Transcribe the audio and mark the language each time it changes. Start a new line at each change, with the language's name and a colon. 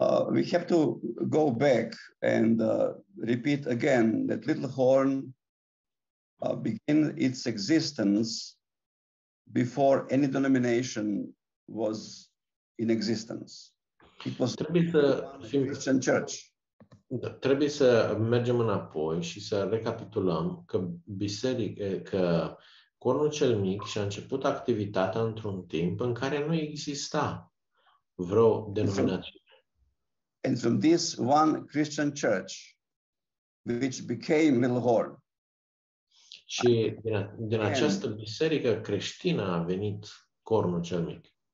English: We have to go back and repeat again that Little Horn began its existence before any denomination was in existence. It was Christian Church.
Romanian: Trebuie să mergem înapoi și să recapitulăm că biserica, că cornul cel mic și-a început activitatea într-un timp în care nu exista vreo denominație.
English: And from this one Christian church, which became Little Horn.
Romanian: Și din această biserică creștină a venit cornul cel mic.